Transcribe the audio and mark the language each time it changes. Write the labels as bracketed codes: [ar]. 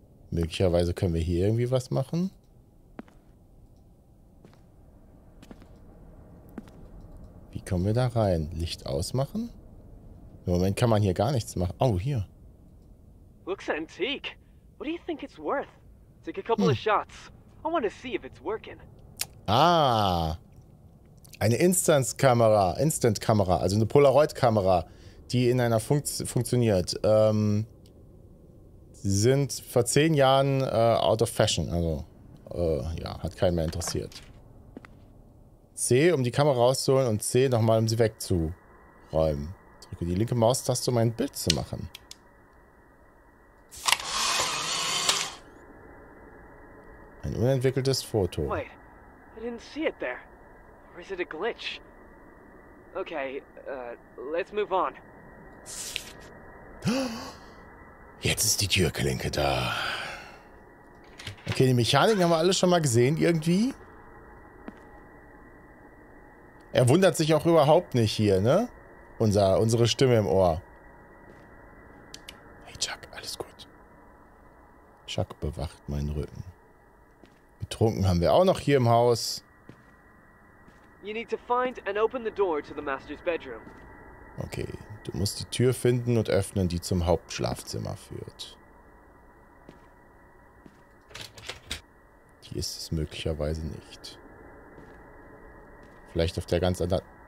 [de] Möglicherweise können wir hier irgendwie was machen. Wie kommen wir da rein? Licht ausmachen? Im Moment kann man hier gar nichts machen. Oh, hier. [en] Looks antique. What do you think it's worth? Take a couple of shots. I want to see if it's working. [de] Ah. Eine Instant-Kamera. Instant-Kamera. Also eine Polaroid-Kamera, die in einer funktioniert. Sie sind vor 10 Jahren [en] out of fashion. [de] Also, ja, hat keinen mehr interessiert. C, um die Kamera rauszuholen und C nochmal, um sie wegzuräumen. Drücke die linke Maustaste, um ein Bild zu machen. Ein unentwickeltes Foto. [en] Wait, I didn't see it there. Or is it a glitch? Okay, let's move on. [de] Jetzt ist die Türklinke da. Okay, die Mechaniken haben wir alle schon mal gesehen, irgendwie. Er wundert sich auch überhaupt nicht hier, ne? Unsere Stimme im Ohr. Hey, Chuck, alles gut. Chuck bewacht meinen Rücken. Getrunken haben wir auch noch hier im Haus. [en] You need to find and open the door to the master's bedroom. [de] Okay, du musst die Tür finden und öffnen, die zum Hauptschlafzimmer führt. Hier ist es möglicherweise nicht. Vielleicht auf der ganz anderen...